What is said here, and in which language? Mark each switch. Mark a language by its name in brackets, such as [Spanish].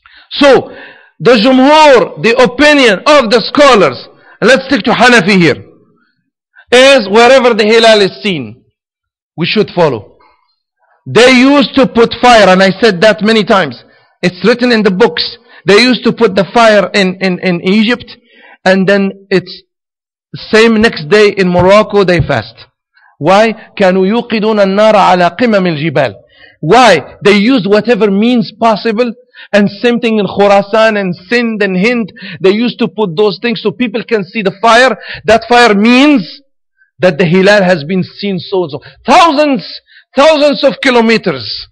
[English] So the jumhur, the opinion of the scholars, let's stick to Hanafi here, is wherever the hilal is seen, we should follow. They used to put fire, and I said that many times. It's written in the books. They used to put the fire in Egypt, and then it's same next day in Morocco, they fast. Why? [Arabic] كانوا يوقدون النار على قمم الجبال. [English] Why? They used whatever means possible. And same thing in Khorasan and Sindh and Hind. They used to put those things so people can see the fire. That fire means that the hilal has been seen so and so. Thousands of kilometers.